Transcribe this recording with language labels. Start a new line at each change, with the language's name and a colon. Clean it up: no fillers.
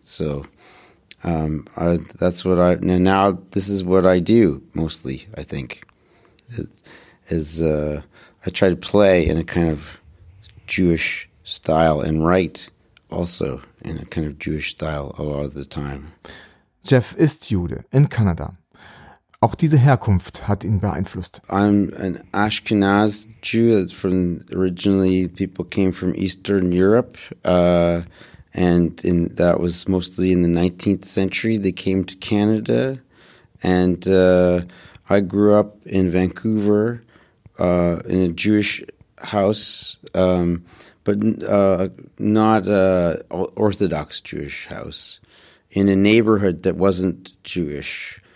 English: So now this is what I do mostly, I think, I try to play in a kind of Jewish style and write also in a kind of Jewish style a lot of the time.
German: Jeff ist Jude in Kanada. Auch diese Herkunft hat ihn beeinflusst.
English: I'm an Ashkenaz Jew, from originally people came from Eastern Europe, and in that was mostly in the 19th century they came to Canada, and I grew up in Vancouver in a Jewish house, but not a Orthodox Jewish house, in a neighborhood that wasn't Jewish.